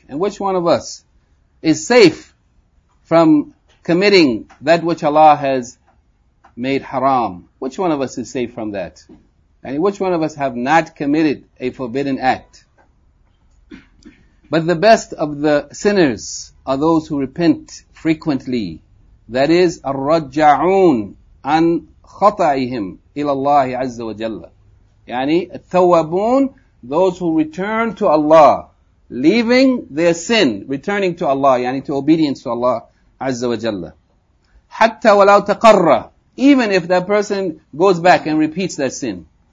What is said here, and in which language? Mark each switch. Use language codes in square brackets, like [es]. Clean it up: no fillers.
[en] And which one of us is safe from committing that which Allah has made haram? Which one of us is safe from that? And which one of us have not committed a forbidden act? But the best of the sinners are those who repent frequently. [ar] That is, الرجعون عن خطأهم إلى الله عز وجل. [en] يعني التوابون, those who return to Allah, leaving their sin, returning to Allah, يعني to obedience to Allah عز وجل. حتى ولو تقرّ. Even if that person goes back and repeats that sin.